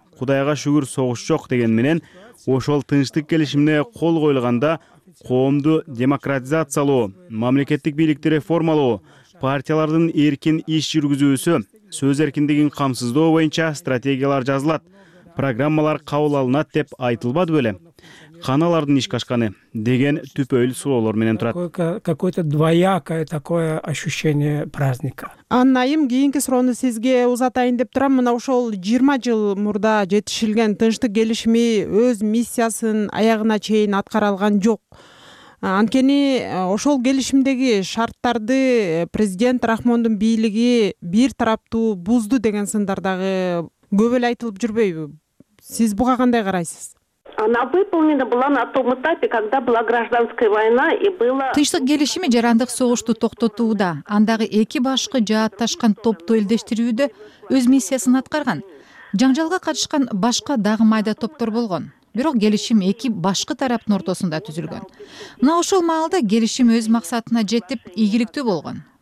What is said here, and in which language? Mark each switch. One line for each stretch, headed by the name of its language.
Kyrgyz: Кудайга шүгүр согуш жок деген менен ошол тынчтык келишимине кол коюлганда коомду демократизациялоо, мамлекеттик бийликти реформалоо, партиялардын эркин иш жүргүзүүсү, сөз эркиндигин камсыздоо боюнча стратегиялар жазылат. Программалар кабыл алынат деп айтылбады беле? Каналардын иш качканы деген түпөйүл суроолор менен турат.
Russian: Какое-то двоякое такое ощущение праздника.
Kyrgyz: Аннайым, кийинки суроону сизге узатайын деп турам. Мына ошол 20 жыл мурда жетишилген тынчтык келишими өз миссиясын аягына чейин аткара алган жок. Анткени ошол келишимдеги шарттарды президент Рахмондун бийлиги бир тараптуу бузду деген сындар дагы көп эле айтылып жүрбөйбү? Сиз буга кандай карайсыз?
Russian: Она выполнена была на том этапе, когда была гражданская война и было
Kyrgyz: Тынчтык келишими жарандык согушту токтотууда, андагы эки башкы жааташкан топту элдештирүүдө өз миссиясын аткарган. Жаңжалга катышкан башка дагы майда топтор болгон. Бирок келишим эки башкы тараптын ортосунда түзүлгөн. Мына ошол маалда келишим өз максатына жетип, ийгиликтүү болгон.